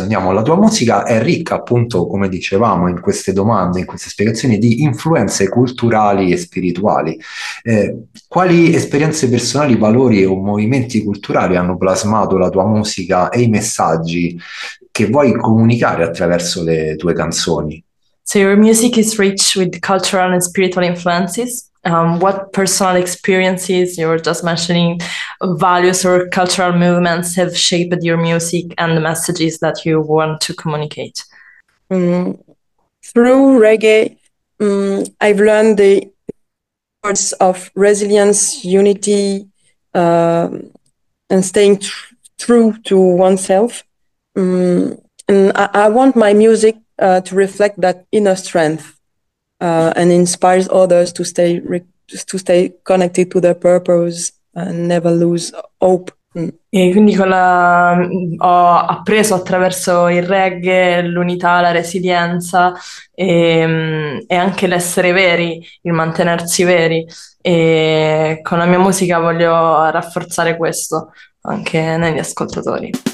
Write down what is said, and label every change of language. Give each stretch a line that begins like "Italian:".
Italian: Andiamo, la tua musica è ricca, appunto, come dicevamo, in queste domande, in queste spiegazioni di influenze culturali e spirituali. Quali esperienze personali, valori o movimenti culturali hanno plasmato la tua musica e i messaggi che vuoi comunicare attraverso le tue canzoni?
English: So your music is rich with cultural and spiritual influences. What personal experiences, you were just mentioning, values or cultural movements have shaped your music and the messages that you want to communicate? Through reggae, I've learned the words of resilience, unity, and staying true to oneself. And I want my music to reflect that inner strength. and inspires others to stay connected to their purpose and never lose hope.
Italian: E quindi ho appreso attraverso il reggae l'unità, la resilienza e anche l'essere veri, il mantenersi veri. E con la mia musica voglio rafforzare questo anche negli ascoltatori.